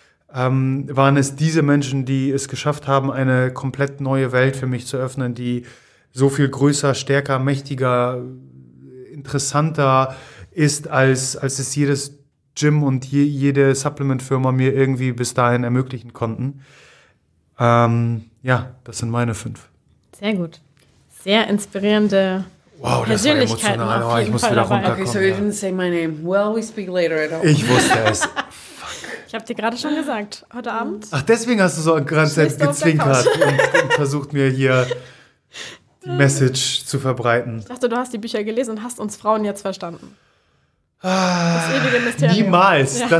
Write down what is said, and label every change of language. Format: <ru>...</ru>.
<de>waren es diese Menschen, die es geschafft haben, eine komplett neue Welt für mich zu öffnen, die so viel größer, stärker, mächtiger, interessanter ist, als es jedes Gym und jede Supplement-Firma mir irgendwie bis dahin ermöglichen konnten. Ja, das sind meine 5. Sehr gut. Sehr inspirierende Persönlichkeiten. Wow, das war emotional. Ich muss wieder runterkommen.</de> <en>Okay, so you didn't say my name. Well, we speak later at all.</en> <de>Ich wusste es. Ich habe dir gerade schon gesagt, heute Abend. Ach, deswegen hast du so ganz selbst gezwinkert und versucht mir hier die Message zu verbreiten. Ich dachte, du hast die Bücher gelesen und hast uns Frauen jetzt verstanden. Das ewige niemals. Ja.</de>